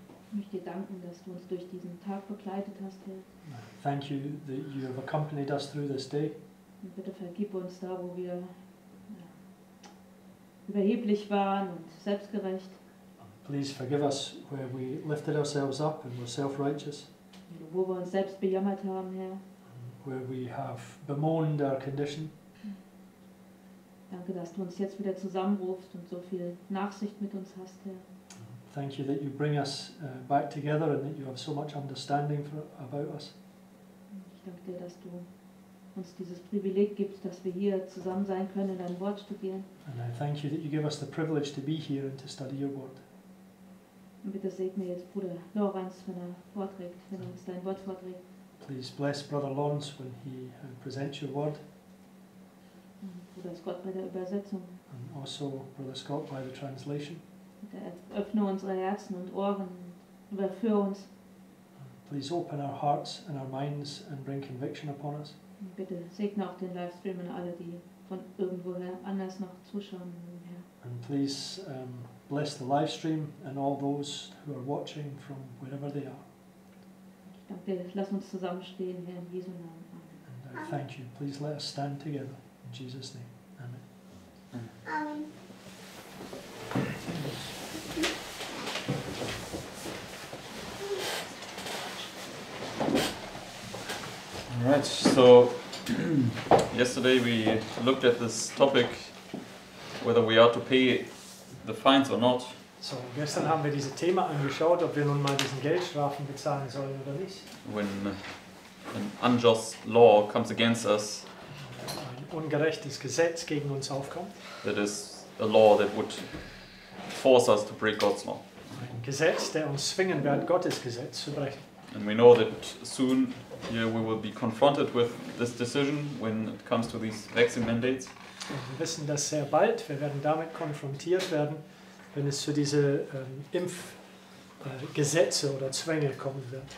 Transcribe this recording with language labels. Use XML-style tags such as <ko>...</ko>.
<de>ich möchte dir danken, dass du uns durch diesen Tag begleitet hast, Herr.</de> <en>Thank you that you have accompanied us through this day.</en> <de>Und bitte vergib uns da, wo wir überheblich waren und selbstgerecht.</de> <en>Please forgive us where we lifted ourselves up and were self-righteous.</en> <de>Und wo wir uns selbst bejammert haben, Herr.</de> <en>Where we have bemoaned our condition.</en> <de>Danke, dass du uns jetzt wieder zusammenrufst und so viel Nachsicht mit uns hast, Herr.</de> <en>Thank you that you bring us back together and that you have so much understanding for, about us.</en> <de>Ich danke dir, dass du uns dieses Privileg gibst, dass wir hier zusammen sein können und dein Wort studieren.</de> <en>And I thank you that you give us the privilege to be here and to study your word.</en> <de>Und bitte segne jetzt Bruder Lawrence, wenn er vorträgt, wenn er uns dein Wort vorträgt.</de> <en>Please bless Brother Lawrence when he presents your word.</en> <de>Bruder Scott bei der Übersetzung.</de> <en>And also Brother Scott by the translation.</en> <de>Öffne unsere Herzen und Ohren und überführe uns.</de> <en>Please open our hearts and our minds and bring conviction upon us.</en> <de>Bitte segne auch den Livestream und alle, die von irgendwoher anders noch zuschauen.</de> <en>And please bless the Livestream and all those who are watching from wherever they are.</en> <de>Ich danke dir, lass uns zusammenstehen, Herr, in Jesu Namen.</de> <en>And I thank you. Please let us stand together. In Jesus' name. Amen. Amen. All right, so yesterday we looked at this topic, whether we are to pay the fines or not.</en> <de>So gestern haben wir dieses Thema angeschaut, ob wir nun mal diesen Geldstrafen bezahlen sollen oder nicht.</de> <en>When an unjust law comes against us,</en> <de>ein ungerechtes Gesetz gegen uns aufkommt,</de> <en>that is a law that would force us to break God's law.</en> <de>Ein Gesetz, der uns zwingen wird, Gottes Gesetz zu brechen.</de> <en>And we know that soon here we will be confronted with this decision when it comes to these vaccine mandates.</en> <de>Und wir wissen das sehr bald. Wir werden damit konfrontiert werden, wenn es zu diese Impfgesetze oder Zwänge kommen wird.</de>